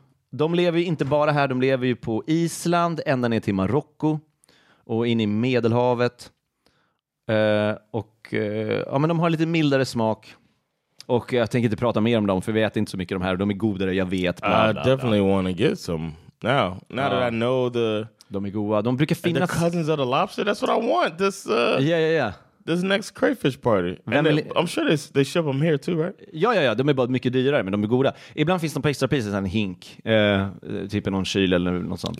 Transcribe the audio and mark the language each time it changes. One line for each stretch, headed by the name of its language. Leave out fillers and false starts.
Swedish: De lever ju inte bara här, de lever ju på Island, ända ner till Marocko och in i Medelhavet. De har lite mildare smak. Och jag tänker inte prata mer om dem, för vi äter inte så mycket om de här. De är godare, jag vet.
English: I definitely want to get some. Now that I know the...
Swedish: De är goda. De brukar finnas...
English: The cousins of the lobster, that's what I want. This, this next crayfish party. I'm sure they ship them here too, right?
Swedish: Ja. De är bara mycket dyrare, men de är goda. Ibland finns de på extra pieces, en hink. Typ någon kyl eller något sånt.